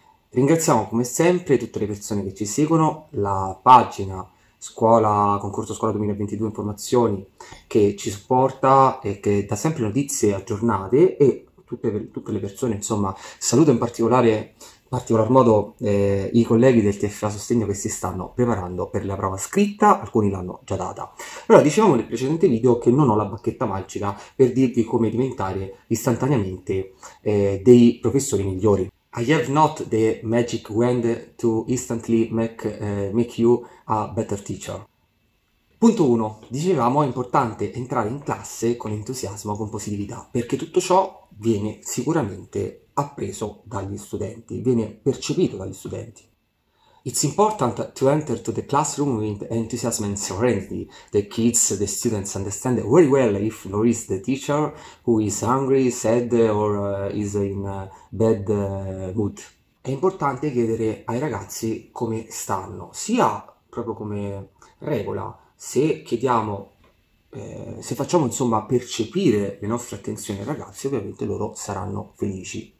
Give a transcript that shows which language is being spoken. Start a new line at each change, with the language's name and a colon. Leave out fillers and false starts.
Italian: Ringraziamo come sempre tutte le persone che ci seguono, la pagina Scuola, Concorso Scuola 2022 Informazioni che ci supporta e che dà sempre notizie aggiornate e tutte le persone, insomma, saluto in particolar modo i colleghi del TFA Sostegno che si stanno preparando per la prova scritta, alcuni l'hanno già data. Allora, dicevamo nel precedente video che non ho la bacchetta magica per dirvi come diventare istantaneamente dei professori migliori.
English: I have not the magic wand to instantly make you a better teacher.
Italian: Punto 1. Dicevamo è importante entrare in classe con entusiasmo, con positività, perché tutto ciò viene sicuramente appreso dagli studenti, viene percepito dagli studenti.
English: It's important to enter to the classroom with enthusiasm and serenity. The kids, the students understand very well if there is the teacher who is hungry, sad or is in bad mood.
Italian: È importante chiedere ai ragazzi come stanno, sia proprio come regola, se chiediamo se facciamo insomma percepire le nostre attenzioni ai ragazzi, ovviamente loro saranno felici.